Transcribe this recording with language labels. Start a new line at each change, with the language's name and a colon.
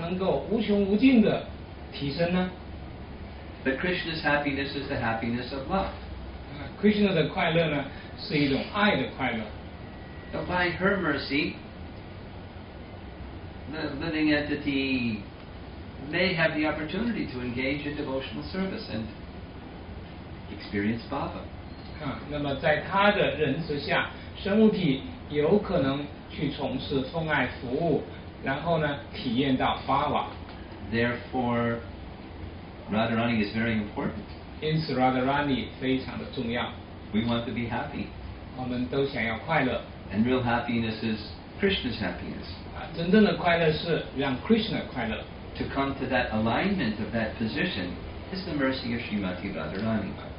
Chinese: Krishna的喜悦怎么样才能够无穷无尽地提升呢?
English: But Krishna's happiness is the happiness of love.
Chinese: Krishna的快乐呢,是一种爱的快乐。
English: But by her mercy, the living entity may have the opportunity to engage in devotional service and experience bhava.
Chinese: 那么在他的仁慈下，生物体有可能去从事奉爱服务， 然后呢，体验到 bhava.
English: Therefore, Radharani is very important.
Chinese: 因此 Radharani 非常的重要。
English: We want to be happy.
Chinese: 我们都想要快乐。
English: And real happiness is Krishna's happiness.
Chinese: 真正的快乐是让 Krishna 快乐。
English: To come to that alignment of that position is the mercy of Srimati Radharani.